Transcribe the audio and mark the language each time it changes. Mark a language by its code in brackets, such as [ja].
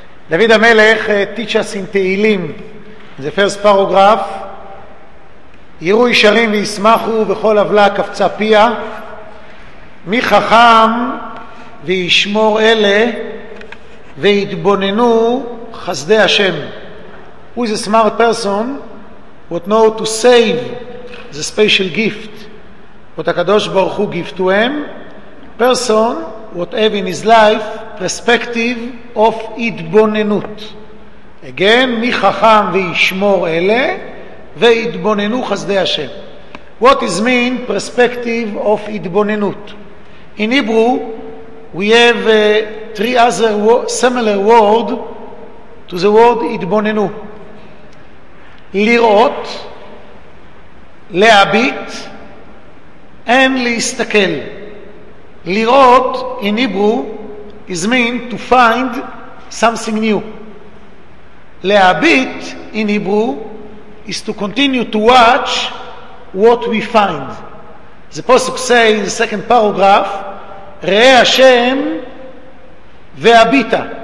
[en] דוד המלך, teach us in תהילים, [he] זה [en] first paragraph. [he] יראו ישרים וישמחו וכל עוולה קפצה פיה. מי חכם וישמור אלה ויתבוננו חסדי השם. [en] Who is a smart person would know to save the special gift what הקדוש ברוך הוא gift to him. Person would have in his life perspective of התבוננות. Again, [he] מי חכם וישמור אלה ויתבוננו חסדי השם. [en] What is mean perspective of התבוננות? In Hebrew we have three other similar word to the word התבוננו. [he] לראות, להביט, [en] and [he] להסתכל. [en] לראות in Hebrew is mean to find something new. להביט in Hebrew is to continue to watch what we find. The pasuk say in the second paragraph, [he] ראה השם והביטה.